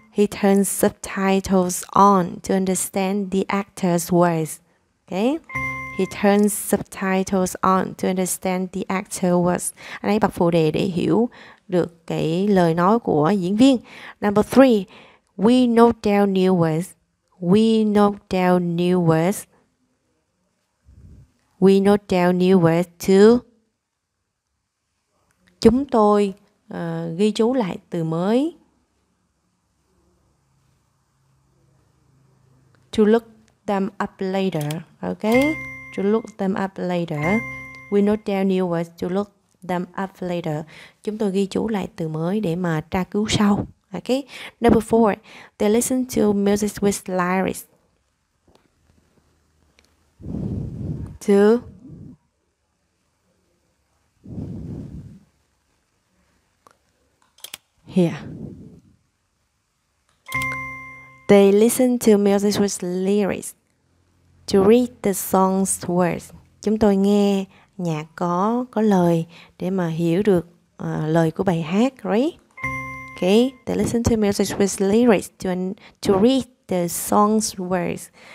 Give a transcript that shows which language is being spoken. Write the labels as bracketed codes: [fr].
[en] He turns subtitles on to understand the actor's words. Okay? He turns subtitles on to understand the actor's words. [vi] Anh ấy bật phụ đề để hiểu được cái lời nói của diễn viên. [en] Number three. We note down new words. We note down new words. We note down new words too. [vi] Chúng tôi ghi chú lại từ mới. [en] To look them up later. Okay? To look them up later. We note down new words to look them up later. [vi] Chúng tôi ghi chú lại từ mới để mà tra cứu sau. [en] Okay. Number four, they listen to music with lyrics. Two. Here. They listen to music with lyrics to read the song's words. [vi] Chúng tôi nghe nhạc có lời để mà hiểu được lời của bài hát, right? Ok. [en] Okay, they listen to music with lyrics to read the song's words.